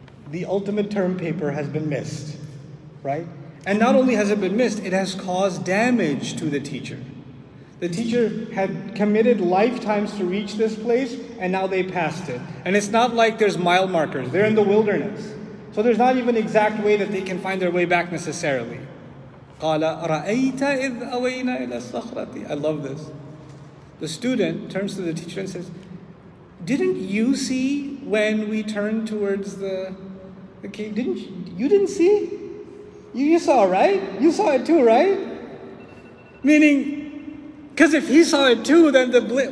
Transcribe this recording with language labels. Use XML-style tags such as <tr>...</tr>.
<en>The ultimate term paper has been missed, right? And not only has it been missed, it has caused damage to the teacher. The teacher had committed lifetimes to reach this place, and now they passed it. And it's not like there's mile markers. They're in the wilderness. So there's not even an exact way that they can find their way back necessarily.</en> <ar>قَالَ رَأَيْتَ إِذْ أَوَيْنَا إِلَى الصَّخْرَةِ</ar> <en>I love this. The student turns to the teacher and says, didn't you see when we turned towards the cave? Didn't you see? You saw, right? You saw it too, right? Meaning, because if he saw it too, then the blip.</en>